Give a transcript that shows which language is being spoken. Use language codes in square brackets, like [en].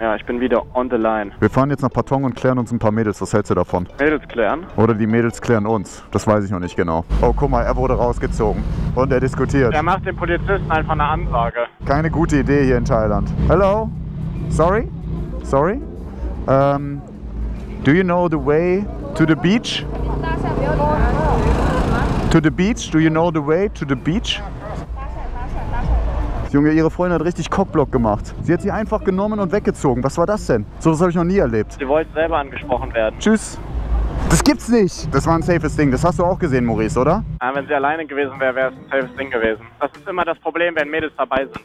[de] Ja, ich bin wieder [en] on the line. [de] Wir fahren jetzt nach Patong und klären uns ein paar Mädels. Was hältst du davon? Mädels klären? Oder die Mädels klären uns. Das weiß ich noch nicht genau. Oh, guck mal, er wurde rausgezogen. Und er diskutiert. Er macht den Polizisten einfach eine Ansage. Keine gute Idee hier in Thailand. [en] Hello? Sorry? Sorry? Do you know the way to the beach? To the beach? Do you know the way to the beach? [de] Junge, ihre Freundin hat richtig Cockblock gemacht. Sie hat sie einfach genommen und weggezogen. Was war das denn? So was habe ich noch nie erlebt. Sie wollte selber angesprochen werden. Tschüss. Das gibt's nicht. Das war ein safes Ding. Das hast du auch gesehen, Maurice, oder? Ja, wenn sie alleine gewesen wäre, wäre es ein safes Ding gewesen. Das ist immer das Problem, wenn Mädels dabei sind.